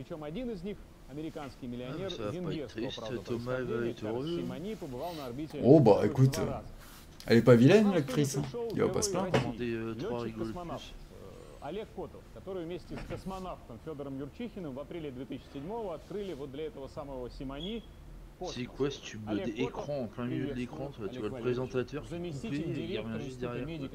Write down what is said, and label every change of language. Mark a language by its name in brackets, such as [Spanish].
[French] Ça va pas être triste, Thomas va être heureux. Oh bah écoute, elle est pas vilaine l'actrice, hein. Il va pas se plaindre. Des trois rigoles de plus. [Russian] Олег Котов, который вместе с космонавтом Федором Юрчихиным в апреле 2007-го открыли вот для этого самого Симони. [French] C'est quoi ce tube d'écran, en plein milieu de l'écran, toi, tu vois le présentateur coupé, il revient juste derrière.